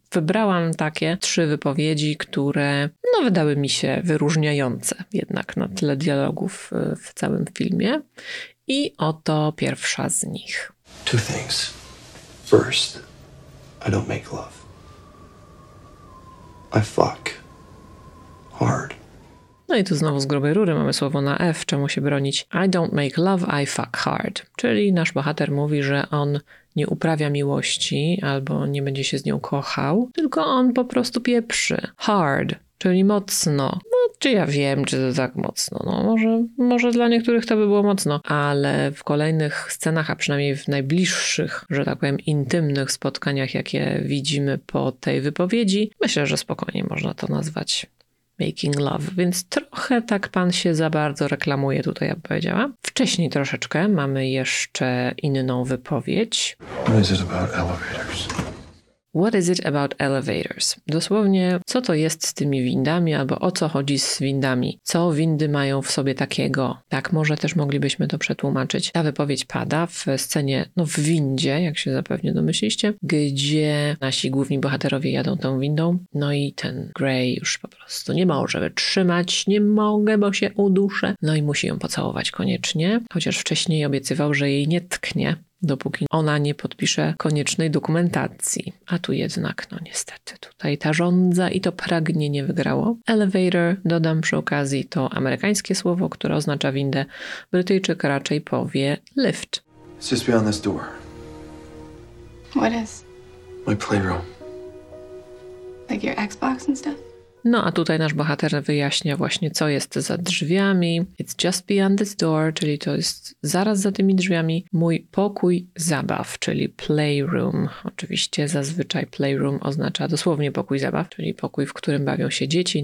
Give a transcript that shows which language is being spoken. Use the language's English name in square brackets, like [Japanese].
[Polish] Wybrałam takie trzy wypowiedzi, które no, wydały mi się wyróżniające jednak na tle dialogów w całym filmie. I oto pierwsza z nich. [English] Two things. First, I don't make love. I fuck hard. [Polish] No i tu znowu z grubej rury mamy słowo na F, czemu się bronić. [English] I don't make love, I fuck hard. [Polish] Czyli nasz bohater mówi, że on nie uprawia miłości albo nie będzie się z nią kochał, tylko on po prostu pieprzy. Hard, czyli mocno. No czy ja wiem, czy to tak mocno. No może dla niektórych to by było mocno, ale w kolejnych scenach, a przynajmniej w najbliższych, że tak powiem, intymnych spotkaniach, jakie widzimy po tej wypowiedzi, myślę, że spokojnie można to nazwać making love, więc trochę tak pan się za bardzo reklamuje tutaj, jak powiedziała. Wcześniej troszeczkę mamy jeszcze inną wypowiedź. [English] What is it about elevators? What is it about elevators? [Polish] Dosłownie, co to jest z tymi windami, albo o co chodzi z windami? Co windy mają w sobie takiego? Tak, może też moglibyśmy to przetłumaczyć. Ta wypowiedź pada w scenie, no w windzie, jak się zapewne domyśliście, gdzie nasi główni bohaterowie jadą tą windą. No i ten Grey już po prostu nie może wytrzymać, nie mogę, bo się uduszę. No i musi ją pocałować koniecznie, chociaż wcześniej obiecywał, że jej nie tknie, dopóki ona nie podpisze koniecznej dokumentacji. A tu jednak, no niestety, tutaj ta żądza i to pragnienie wygrało. Elevator, dodam przy okazji, to amerykańskie słowo, które oznacza windę. Brytyjczyk raczej powie lift. [English] It's just beyond this door. What is? My playroom. Like your Xbox and stuff? [Polish] No a tutaj nasz bohater wyjaśnia właśnie, co jest za drzwiami. [English] It's just beyond this door, [Polish] czyli to jest zaraz za tymi drzwiami. Mój pokój zabaw, czyli playroom. Oczywiście zazwyczaj playroom oznacza dosłownie pokój zabaw, czyli pokój, w którym bawią się dzieci.